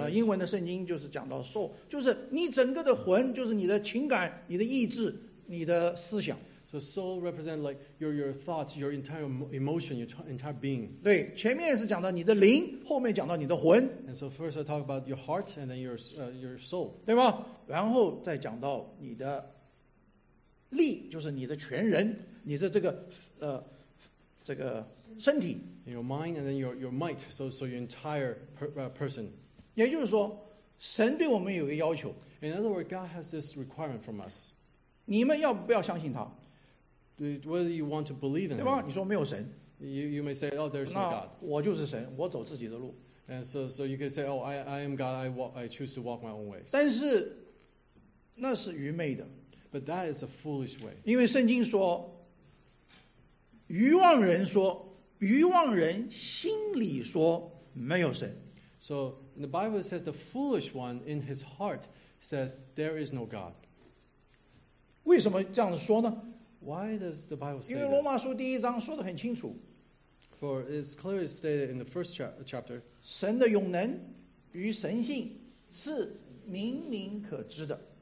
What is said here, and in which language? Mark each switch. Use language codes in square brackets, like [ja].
[zh] 英文的圣经就是讲到 soul, 就是你整个的魂就是你的情感你的意志你的思想。 [en] So soul represents like your thoughts, your entire emotion, your entire being. [zh] 对，前面是讲到你的灵，后面讲到你的魂。 [en] And so first I talk about your heart and then your soul. [zh] 对吧？然后再讲到你的力，就是你的全人，你的这个这个身体 [en] your mind and then your might so your entire person [zh] 也就是说神对我们有一个要求 [en] in other words God has this requirement from us [zh] 你们要不要相信他 [en] whether you want to believe in him [zh] 对吧你说没有神 [en] you may say oh there's no God [zh] 我就是神我走自己的路 [en] and so you can say oh I am God I choose to walk my own ways [zh] 但是那是愚昧的 [en] but that is a foolish way [zh] 因为圣经说愚妄人说，愚妄人心里说没有神。 [en] So the Bible says the foolish one in his heart says there is no God. [zh] 为什么这样子说呢 [en] ？Why does the Bible say this? [zh] 因为罗马书第一章说得很清楚。 [en] For it's clearly stated in the first chapter. [zh] 神的永能与神性是明明可知的。